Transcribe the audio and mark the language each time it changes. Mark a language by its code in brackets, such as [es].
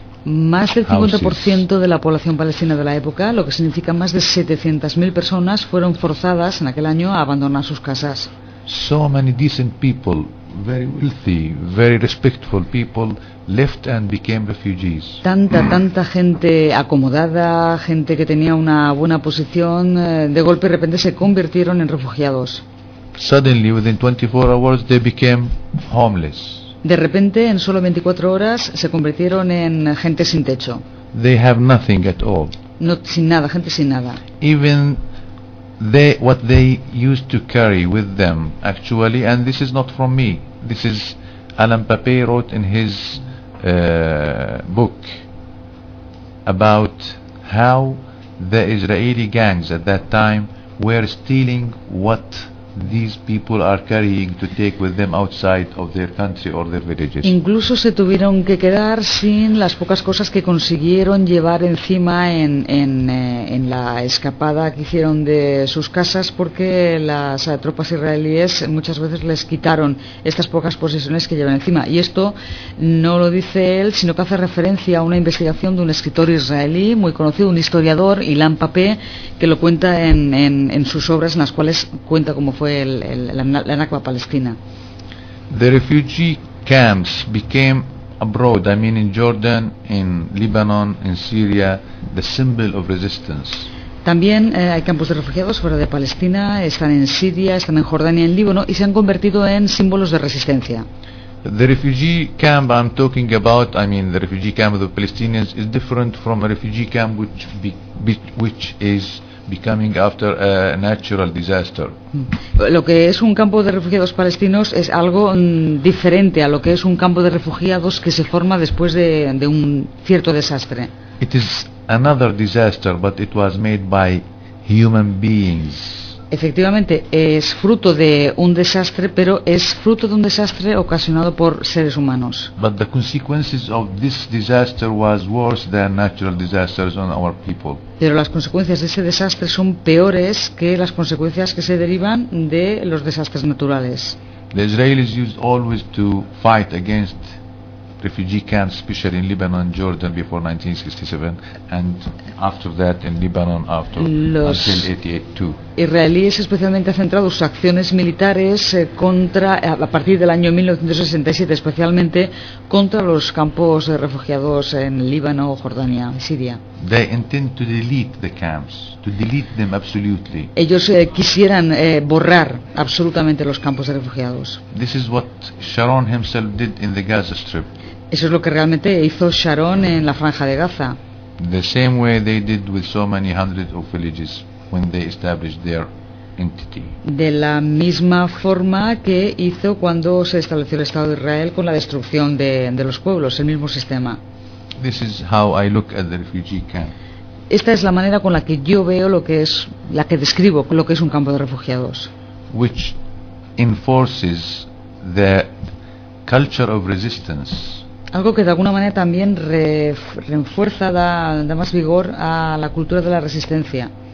[es] Más del 50% de la población palestina de la época, lo que significa más de 700.000 personas, fueron forzadas en aquel año a abandonar sus casas. [en] So many decent people, very wealthy, very respectful people, left and became refugees. [es] Tanta gente acomodada, gente que tenía una buena posición, de golpe y repente se convirtieron en refugiados. [en] Suddenly, within 24 hours, they became homeless. [es] De repente, en solo 24 horas, se convirtieron en gente sin techo. [en] They have nothing at all. [es] No, sin nada, gente sin nada. [en] Even what they used to carry with them, actually, and this is not from me. This is Alan Pape wrote in his book about how the Israeli gangs at that time were stealing what these people are carrying to take with them outside of their country or their villages. [es] Incluso se tuvieron que quedar sin las pocas cosas que consiguieron llevar encima en la escapada que hicieron de sus casas, porque las tropas israelíes muchas veces les quitaron estas pocas posesiones que llevan encima. Y esto no lo dice él, sino que hace referencia a una investigación de un escritor israelí muy conocido, un historiador, Ilan Pape, que lo cuenta en sus obras, en las cuales cuenta cómo fue la Nakba palestina. [en] The refugee camps became abroad, I mean in Jordan, in Lebanon, in Syria, the symbol of resistance. [es] También hay campos de refugiados fuera de Palestina, están en Siria, están en Jordania, en Líbano, y se han convertido en símbolos de resistencia. [en] The refugee camp I'm talking about, I mean the refugee camp of the Palestinians, is different from a refugee camp which is becoming after a natural disaster. [es] Lo que es un campo de refugiados palestinos es algo diferente a lo que es un campo de refugiados que se forma después de un cierto desastre. [en] It is another disaster, but it was made by human beings. [es] Efectivamente, es fruto de un desastre, pero es fruto de un desastre ocasionado por seres humanos. [en] But the consequences of this disaster was worse than natural disasters on our people. [es] Pero las consecuencias de ese desastre son peores que las consecuencias que se derivan de los desastres naturales. [en] The Israelis used always to fight against refugee camps, especially in Lebanon, Jordan, before 1967, and after that in Lebanon, after [es] los [en] until 1988. [es] Israelíes especialmente han centrado sus acciones militares contra a partir del año 1967, especialmente contra los campos de refugiados en Líbano, Jordania, Siria. [en] They intend to delete the camps, to delete them absolutely. [es] Ellos quisieran borrar absolutamente los campos de refugiados. [en] This is what Sharon himself did in the Gaza Strip. [es] Eso es lo que realmente hizo Sharon en la franja de Gaza. [en] The same way they did with so many hundreds of villages when they established their entity. [es] De la misma forma que hizo cuando se estableció el Estado de Israel con la destrucción de los pueblos, el mismo sistema. [en] This is how I look at the refugee camp. [es] Esta es la manera con la que yo veo lo que es, la que describo lo que es un campo de refugiados. [en] Which enforces the culture of resistance. [es] Algo que de alguna manera también refuerza, da más vigor a la cultura de la resistencia.